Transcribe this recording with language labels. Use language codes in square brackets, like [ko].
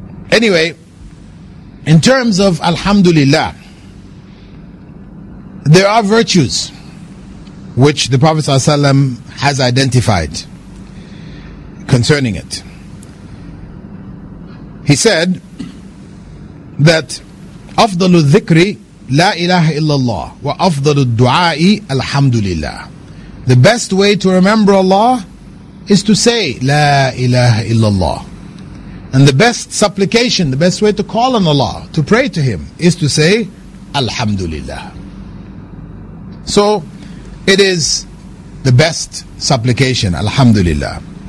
[en] Anyway, in terms of Alhamdulillah, there are virtues which the Prophet ﷺ has identified concerning it. He said that [ar] أَفْضَلُ الذِّكْرِ لَا إِلَهَ إِلَّا اللَّهِ وَأَفْضَلُ الدُّعَاءِ الْحَمْدُ لِلَّهِ. [en] The best way to remember Allah is to say La ilaha illallah. And the best supplication, the best way to call on Allah, to pray to Him, is to say Alhamdulillah. So it is the best supplication, Alhamdulillah.